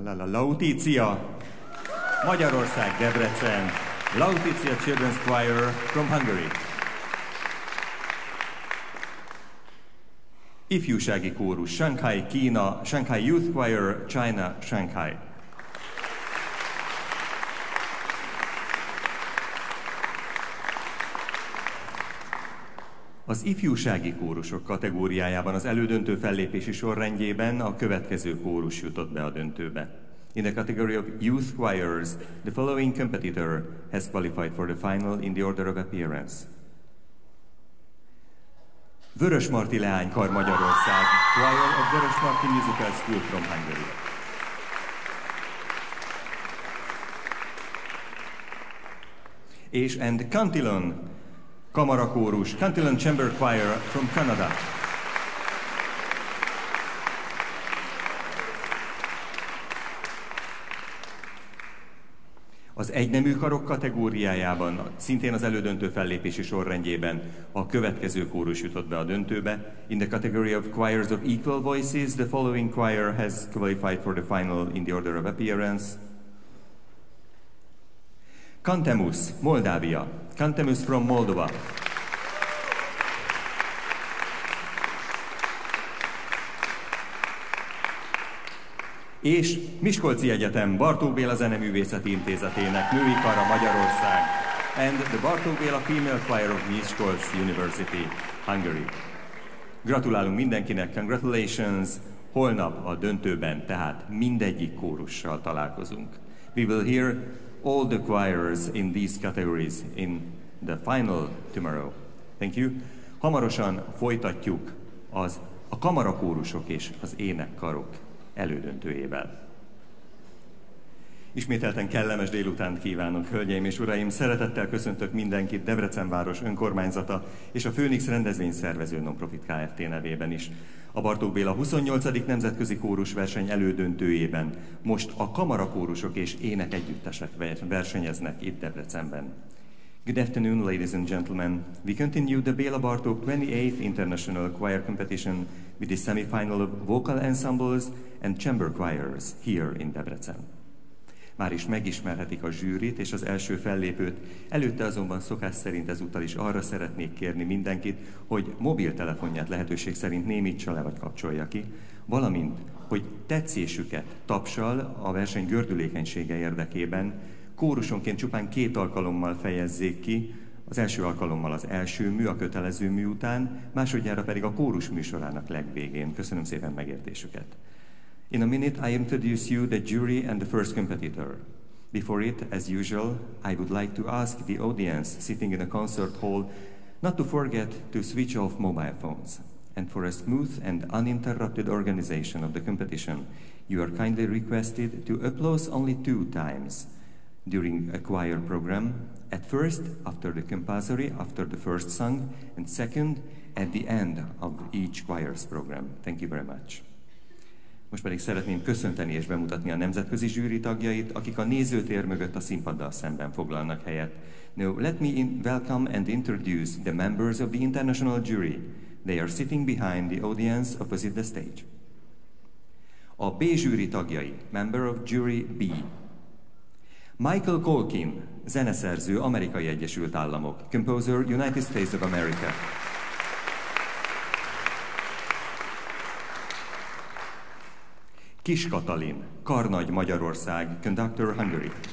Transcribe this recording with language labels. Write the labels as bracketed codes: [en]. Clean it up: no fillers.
[hu] Lautícia, Magyarország, Debrecen. [en] Lautícia Children's Choir from Hungary. [hu] Ifjúsági kórus, Shanghai, Kína. [en] Shanghai Youth Choir, China, Shanghai. [hu] Az ifjúsági kórusok kategóriájában az elődöntő fellépési sorrendjében a következő kórus jutott be a döntőbe. [en] In the category of youth choirs, the following competitor has qualified for the final in the order of appearance. [hu] Vörös Marti Leánykar Magyarország, [en] choir of Vörös Marti Musical School from Hungary. [hu] És [en] and Cantillon [hu] Kamarakórus, [en] Cantillon Chamber Choir from Canada. [hu] Az egynemű karok kategóriájában, szintén az elődöntő fellépési sorrendjében a következő kórus jutott be a döntőbe. [en] In the category of choirs of equal voices, the following choir has qualified for the final in the order of appearance. [hu] Cantemus, Moldávia. [en] Cantemus from Moldova. [hu] És Miskolci Egyetem, Bartók Béla Zeneművészeti Intézetének női kara Magyarország, [en] and the Bartók Béla Female Choir of Miskolc University, Hungary. [hu] Gratulálunk mindenkinek, [en] congratulations! [hu] Holnap a döntőben, tehát mindegyik kórussal találkozunk. [en] We will hear all the choirs in these categories in the final tomorrow. Thank you. [hu] Hamarosan folytatjuk a kamarakórusok és az énekkarok elődöntőjével. Ismételten kellemes délutánt kívánok, hölgyeim és uraim! Szeretettel köszöntök mindenkit Debrecen város önkormányzata és a Főnix rendezvény szervező non-profit Kft. Nevében is. A Bartók Béla 28. Nemzetközi Kórus Verseny elődöntőjében most a kamarakórusok és énekegyüttesek versenyeznek itt Debrecenben. [en] Good afternoon, ladies and gentlemen. We continue the Béla Bartók 28th International Choir Competition with the semi-final of vocal ensembles and chamber choirs here in Debrecen. [hu] Már is megismerhetik a zsűrit és az első fellépőt, előtte azonban szokás szerint ezúttal is arra szeretnék kérni mindenkit, hogy mobiltelefonját lehetőség szerint némítsa le vagy kapcsolja ki, valamint, hogy tetszésüket tapsal a verseny gördülékenysége érdekében, kórusonként csupán két alkalommal fejezzék ki, az első alkalommal az első mű, a kötelező mű után, másodjára pedig a kórus műsorának legvégén. Köszönöm szépen megértésüket. [en] In a minute, I introduce you the jury and the first competitor. Before it, as usual, I would like to ask the audience sitting in the concert hall not to forget to switch off mobile phones. And for a smooth and uninterrupted organization of the competition, you are kindly requested to applause only two times during a choir program. At first, after the compulsory, after the first song, and second, at the end of each choir's program. Thank you very much. [hu] Most pedig szeretném köszönteni és bemutatni a nemzetközi zsűri tagjait, akik a nézőtér mögött a színpaddal szemben foglalnak helyet. [en] Now, let me welcome and introduce the members of the international jury. They are sitting behind the audience opposite the stage. [hu] A B zsűri tagjai, [en] member of jury B. Michael Colkin, [hu] zeneszerző, Amerikai Egyesült Államok, [en] composer, United States of America. Yeah. [hu] Kis Katalin, Karnagy Magyarország, [en] Conductor Hungary.